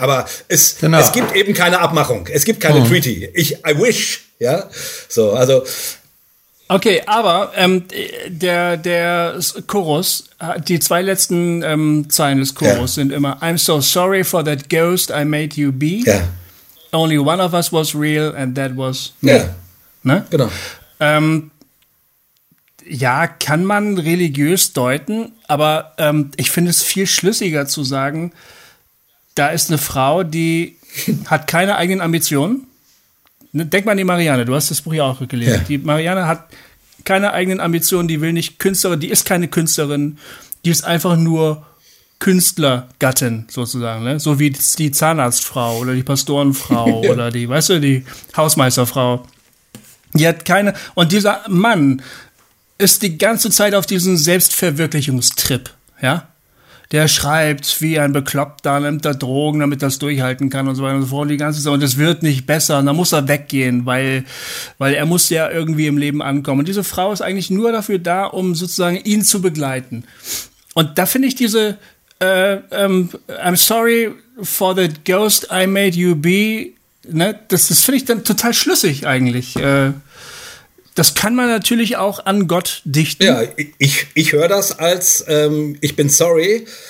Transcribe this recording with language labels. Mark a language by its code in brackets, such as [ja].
[de] Aber es gibt eben keine Abmachung. Es gibt keine Treaty. [en] I wish, [de] ja. So, also. Okay, aber der Chorus, die zwei letzten Zeilen des Chorus sind immer [en] I'm so sorry for that ghost I made you be. Yeah. Only one of us was real and that was me. [de] Ne? Genau. Kann man religiös deuten, aber ich finde es viel schlüssiger zu sagen, da ist eine Frau, die hat keine eigenen Ambitionen. Denk mal an die Marianne, du hast das Buch ja auch gelesen. Ja. Die Marianne hat keine eigenen Ambitionen, die will nicht Künstlerin, die ist keine Künstlerin, die ist einfach nur Künstlergattin sozusagen, ne? So wie die Zahnarztfrau oder die Pastorenfrau oder die, weißt du, die Hausmeisterfrau. Die hat keine, und dieser Mann ist die ganze Zeit auf diesem Selbstverwirklichungstrip, ja? Der schreibt wie ein Bekloppter, nimmt da Drogen, damit das durchhalten kann und so weiter und so fort. Und die ganze Zeit, und es wird nicht besser. Und dann muss er weggehen, weil er muss ja irgendwie im Leben ankommen. Und diese Frau ist eigentlich nur dafür da, um sozusagen ihn zu begleiten. Und da finde ich diese, [en] I'm sorry for the ghost I made you be. [de] Ne? Das finde ich dann total schlüssig eigentlich. Das kann man natürlich auch an Gott dichten. Ja, ich höre das als, ich bin sorry.